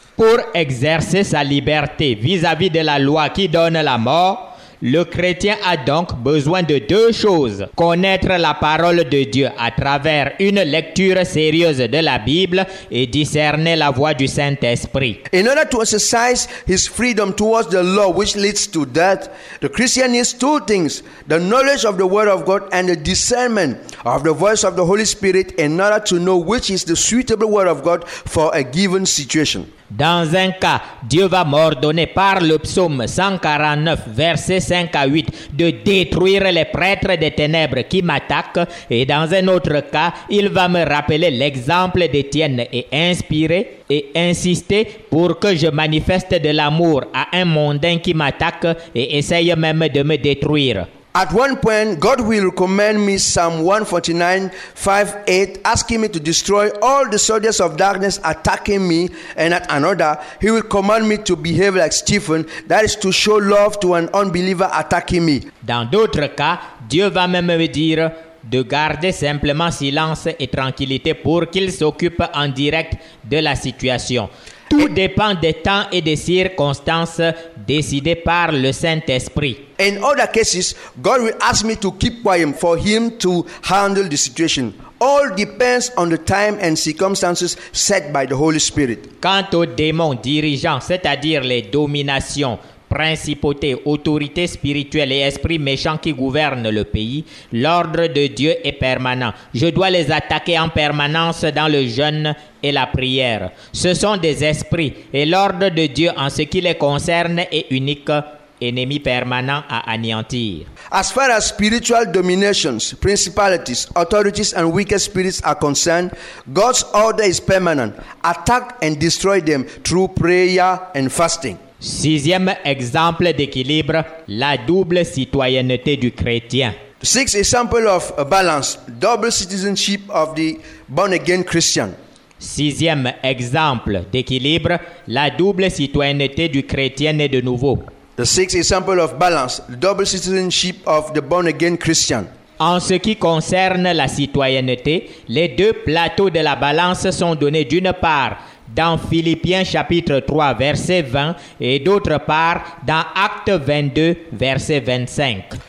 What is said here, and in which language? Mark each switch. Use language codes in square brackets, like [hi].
[fr] Pour exercer sa liberté vis-à-vis de la loi qui donne la mort, Le chrétien a donc besoin de deux choses. Connaître la parole de Dieu à travers une lecture sérieuse de la Bible et discerner la voix du Saint-Esprit. [en] In order to exercise his freedom towards the law which leads to death, the Christian needs two things: the knowledge of the word of God and the discernment of the voice of the Holy Spirit in order to know which is the suitable word of God for a given situation. [fr] Dans un cas, Dieu va m'ordonner par le psaume 149, versets 5 à 8, de détruire les prêtres des ténèbres qui m'attaquent. Et dans un autre cas, il va me rappeler l'exemple d'Étienne et inspirer et insister pour que je manifeste de l'amour à un mondain qui m'attaque et essaye même de me détruire. [en] At one point, God will command me Psalm 149, 5, 8, asking me to destroy all the soldiers of darkness attacking me. And at another, he will command me to behave like Stephen, that is to show love to an unbeliever attacking me. [fr] Dans d'autres cas, Dieu va même me dire de garder simplement silence et tranquillité pour qu'il s'occupe en direct de la situation. Tout dépend des temps et des circonstances décidées par le Saint-Esprit. [en] In other cases, God will ask me to keep quiet for him to handle the situation. All depends on the time and circumstances set by the Holy Spirit. [fr] Quant aux démons dirigeants, c'est-à-dire les dominations, principautés, autorités spirituelles et esprits méchants qui gouvernent le pays, l'ordre de Dieu est permanent. Je dois les attaquer en permanence dans le jeûne et la prière. Ce sont des esprits et l'ordre de Dieu en ce qui les concerne est unique. Ennemi permanent à anéantir. [en] As far as spiritual dominations, principalities, authorities and wicked spirits are concerned, God's order is permanent. Attack and destroy them through prayer and fasting. [fr] Sixième exemple d'équilibre, la double citoyenneté du chrétien. [en] Sixth example of a balance, double citizenship of the born again Christian. [fr] Sixième exemple d'équilibre, la double citoyenneté du chrétien est de nouveau. [en] The sixth example of balance, double citizenship of the born again Christian. [fr] En ce qui concerne la citoyenneté, les deux plateaux de la balance sont donnés d'une part dans Philippiens chapitre 3 verset 20 et d'autre part dans Actes 22 verset 25.